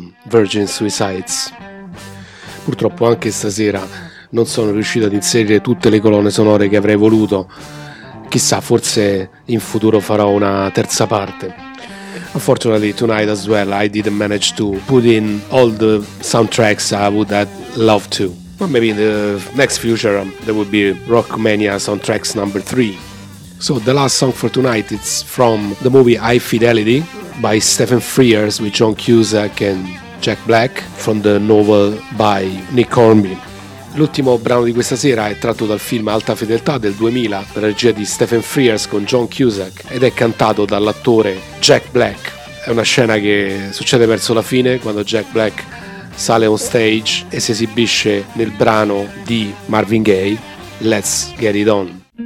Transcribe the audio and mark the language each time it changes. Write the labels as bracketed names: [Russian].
[Italian] Virgin Suicides. Purtroppo anche stasera non sono riuscito ad inserire tutte le colonne sonore che avrei voluto. Chissà, forse in futuro farò una terza parte. [English] Unfortunately, tonight as well, I didn't manage to put in all the soundtracks I would have loved to. But maybe in the next future there would be Rockmania soundtracks number 3. So the last song for tonight is from the movie High Fidelity by Stephen Frears with John Cusack and Jack Black, from the novel by Nick Hornby. [Italian] L'ultimo brano di questa sera è tratto dal film Alta Fedeltà del 2000, la regia di Stephen Frears con John Cusack, ed è cantato dall'attore Jack Black. È una scena che succede verso la fine, quando Jack Black sale [English] on stage [Italian] e si esibisce nel brano di Marvin Gaye, Let's Get It On.